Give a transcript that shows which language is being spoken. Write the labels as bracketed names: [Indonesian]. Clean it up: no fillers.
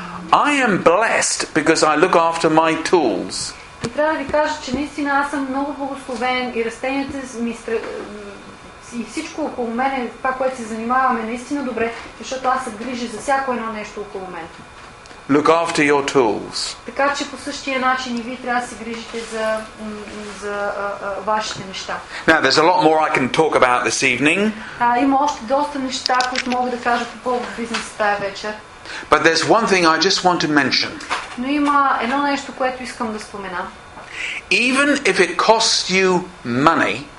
[English] I am blessed because I look after my tools. [Bulgarian] И трябва да ви кажа, че наистина аз съм много благословен и растенията ми и всичко около мене, това, което се занимаваме, наистина добре, защото аз се грижа за всяко едно нещо около мен. [English] Look after your tools. [Bulgarian] Така че по същия начин и вие трябва да се грижите за вашите неща. [English] Now, there's a lot more I can talk about this evening. [Bulgarian] Има още доста неща, които мога да кажа по повод бизнеса тази вечер. [English] But there's one thing I just want to mention. [Bulgarian] Но има едно нещо, което искам да спомена. [English] Even if it costs you money,